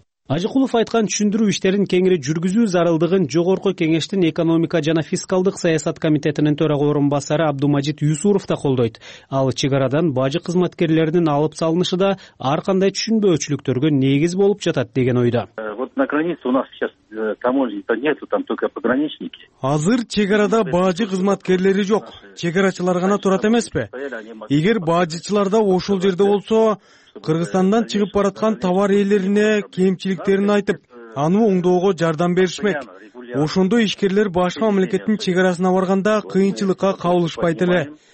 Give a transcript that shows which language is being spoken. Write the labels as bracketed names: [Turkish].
[Kyrgyz] Ажыкулов айткан түшүндүрүү иштерин кеңири жүргүзүү зарылдыгын жогорку кеңештин экономика жана фискалдык саясат комитетинин төрагы орун басары Абдумажит Юсуров да колдойт. Ал чек арадан бажы кызматкерлеринин алып салынышы да ар кандай түшүнбөөчүлүктөргө негиз болуп жатат деген ойдо. [Russian] Вот на границе у нас сейчас таможни-то нету, там только пограничники. [Kyrgyz] Азыр чек арада бажы кызматкерлери жок. Чек арачылар гана турат эмеспи? Эгер бажычылар да ошол жерде болсо, Кыргызстандан чыгып бараткан товар ээлерине кемчиликтерин айтып, аны оңдоого жардам беришмек. Ошондо ишкерлер башка мамлекеттин чек арасына барганда кыйынчылыкка кабылышпайт эле.